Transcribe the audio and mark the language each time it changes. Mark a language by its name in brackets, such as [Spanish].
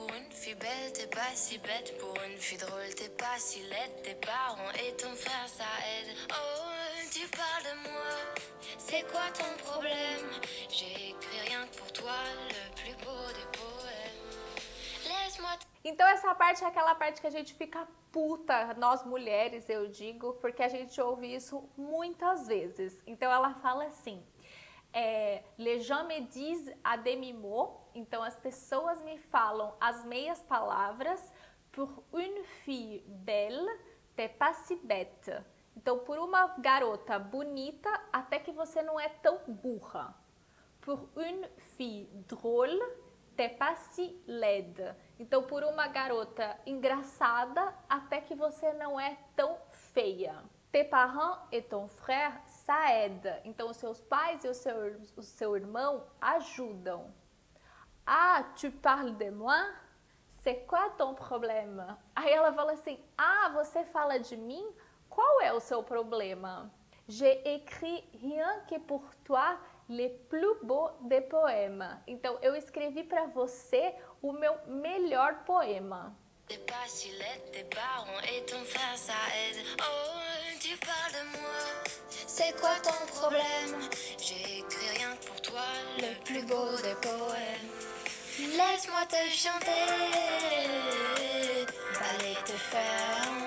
[French] Si bête pour une fille drôle, t'es pas si laide, tes parents et ton frère ça aide. Oh, tu parles de moi, c'est quoi ton problème? J'ai écrit rien que pour toi, le plus beau des poèmes. Laisse-moi. [Portuguese] Então, essa parte é aquela parte que a gente fica puta, nós mulheres, eu digo, porque a gente ouve isso muitas vezes. Então, ela fala assim. É, [French] les gens me disent à demi-mot, [Portuguese] então as pessoas me falam as meias palavras, [French] pour une fille belle, t'es pas si bête. [Portuguese] Então, por uma garota bonita, até que você não é tão burra. [French] Pour une fille drôle, t'es pas si laide. [Portuguese] Então, por uma garota engraçada, até que você não é tão feia. [French] Tes parents et ton frère, ça aide. [Portuguese] Então, os seus pais e o seu irmão ajudam. [French] Ah, tu parles de moi? C'est quoi ton problème? [Portuguese] Aí ela fala assim, ah, você fala de mim? Qual é o seu problema? [French] J'ai écrit rien que pour toi le plus beau des poèmes. [Portuguese] Então, eu escrevi para você o meu melhor poema. [French] T'es pas si laide, tes parents et ton frère, ça aide. Oh, tu parles de moi, c'est quoi ton problème? J'ai écrit rien que pour toi, le plus beau des poèmes. Laisse-moi te chanter, aller te faire.